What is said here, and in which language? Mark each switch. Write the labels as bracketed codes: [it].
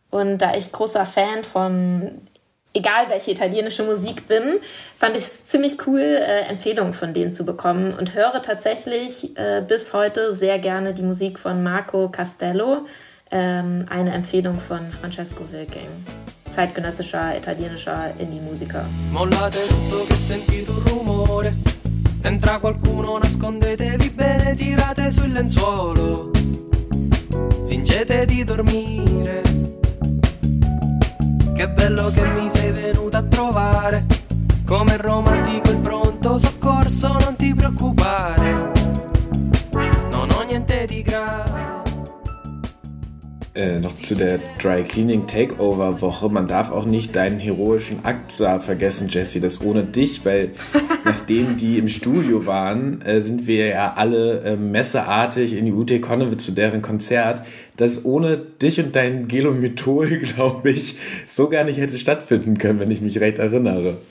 [de] Und da ich großer Fan von egal welche italienische Musik bin, fand ich es ziemlich cool, Empfehlungen von denen zu bekommen und höre tatsächlich bis heute sehr gerne die Musik von Marco Castello, eine Empfehlung von Francesco Wilking. Zeitgenössischer italienischer Indie-Musiker. [it] Entra qualcuno, nascondetevi bene, tirate sul lenzuolo, fingete di dormire. Che bello che mi sei venuta a trovare, come romantico il pronto soccorso, non ti preoccupare, non ho niente di grave. [de] Noch zu der Dry Cleaning Takeover Woche. Man darf auch nicht deinen heroischen Akt da vergessen, Jessie, das ohne dich, weil nachdem die im Studio waren, sind wir ja alle messeartig in die UT Connewitz zu deren Konzert. das ohne dich und dein Gelomethol, glaube ich, so gar nicht hätte stattfinden können, wenn ich mich recht erinnere.